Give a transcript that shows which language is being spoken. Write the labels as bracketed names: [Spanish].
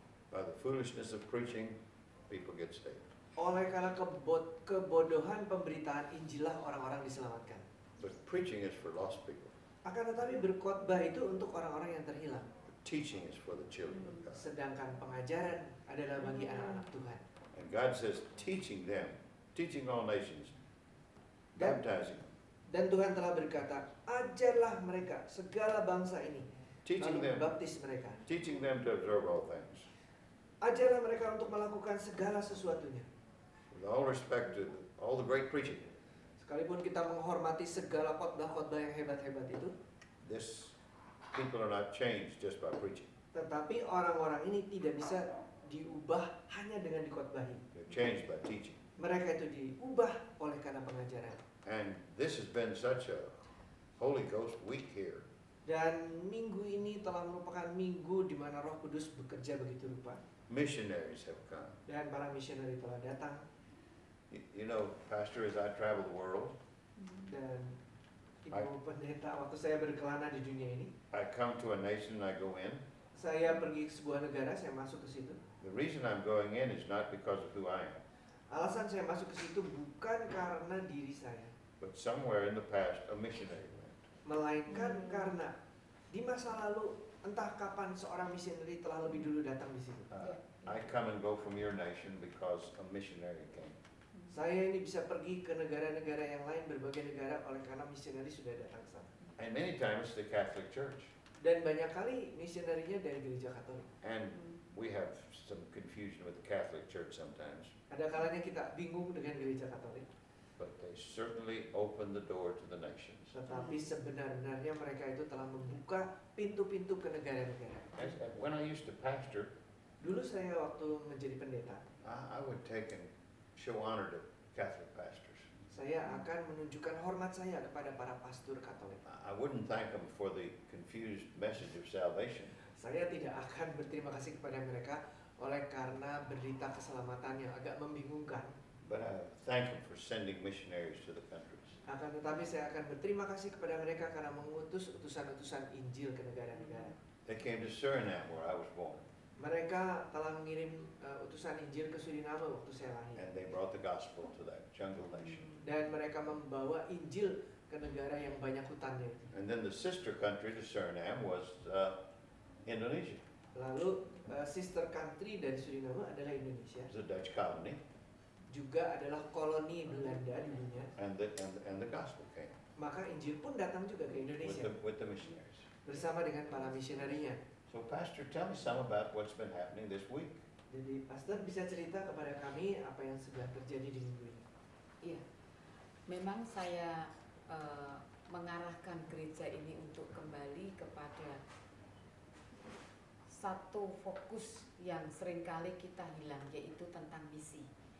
[English] By the foolishness of preaching, people get saved. [Indonesian] Oleh karena kebodohan pemberitaan Injil lah orang-orang diselamatkan. [English] But preaching is for lost people. [Indonesian] Akan tetapi berkhotbah itu untuk orang-orang yang terhilang. [English] But teaching is for the children of God. [Indonesian] Sedangkan pengajaran adalah bagi anak-anak Tuhan. [English] And God says, teaching them, teaching all nations, baptizing them. [Indonesian] Dan Tuhan telah berkata, ajarlah mereka segala bangsa ini, [English] teaching [Indonesian] lalu baptis mereka. [English] Teaching them to observe all things. [Indonesian] Ajarlah mereka untuk melakukan segala sesuatunya. [English] With all respect to all the great preaching. [Indonesian] Sekalipun kita menghormati segala khotbah-khotbah yang hebat-hebat itu. [English] This people are not changed just by preaching. [Indonesian] Tetapi orang-orang ini tidak bisa diubah hanya dengan dikhotbahi. [English] They're changed by teaching. [Indonesian] Mereka itu diubah oleh karena pengajaran. [English] And this has been such a Holy Ghost week here. [Indonesian] Dan minggu ini telah merupakan minggu di mana Roh Kudus bekerja begitu rupa. [English] Missionaries have come. [Indonesian] Dan para misionari telah datang. [English] You know, Pastor, as I travel the world. [Indonesian] Dan ibu pendeta, waktu saya berkelana di dunia ini. [English] I come to a nation and I go in. [Indonesian] Saya pergi ke sebuah negara, saya masuk ke situ. [English] The reason I'm going in is not because of who I am. [Indonesian] Alasan saya masuk ke situ bukan karena diri saya. [English] But somewhere in the past, a missionary went. [Indonesian] Melainkan karena di masa lalu, entah kapan seorang misionari telah lebih dulu datang di situ. [English] I come and go from your nation because a missionary came. [Indonesian] Saya ini bisa pergi ke negara-negara yang lain, berbagai negara, oleh karena misionari sudah datang ke sana. [English] And many times the Catholic Church. [Indonesian] Dan banyak kali misionarinya dari gereja Katolik. [English] And we have some confusion with the Catholic Church sometimes. [Indonesian] Ada kalanya kita bingung dengan gereja Katolik. [English] But they certainly open the door to the nations. [Indonesian] Tetapi sebenarnya mereka itu telah membuka pintu-pintu ke negara-negara. [English] When I used to pastor, [Indonesian] dulu saya waktu menjadi pendeta, [English] I would take and show honor to Catholic pastors. [Indonesian] Saya akan menunjukkan hormat saya kepada para pastor Katolik. [English] I wouldn't thank them for the confused message of salvation. [Indonesian] Saya tidak akan berterima kasih kepada mereka oleh karena berita keselamatan yang agak membingungkan. [English] But I thank them for sending missionaries to the countries. [Indonesian] Akan tetapi saya akan berterima kasih kepada mereka karena mengutus utusan-utusan Injil ke negara-negara. [English] They came to Suriname where I was born. [Indonesian] Mereka telah mengirim utusan Injil ke Suriname waktu saya lahir. [English] And they brought the gospel to that jungle nation. [Indonesian] Dan mereka membawa Injil ke negara yang banyak hutannya. [English] And then the sister country to Suriname was Indonesia. [Indonesian] Lalu [English] sister country [Indonesian] dari Suriname adalah Indonesia. [English] The Dutch colony. [Indonesian] Juga adalah koloni Belanda dulunya. [English] And the gospel came. [Indonesian] Maka Injil pun datang juga ke Indonesia. [English] With the missionaries. [Indonesian] Bersama dengan para misionerinya. [English] So pastor, tell me some about what's been happening this week. [Indonesian] Jadi pastor bisa cerita kepada kami apa yang sudah terjadi di minggu ini. Iya. Memang saya mengarahkan gereja ini untuk kembali kepada satu fokus yang seringkali kita hilang, yaitu tentang misi.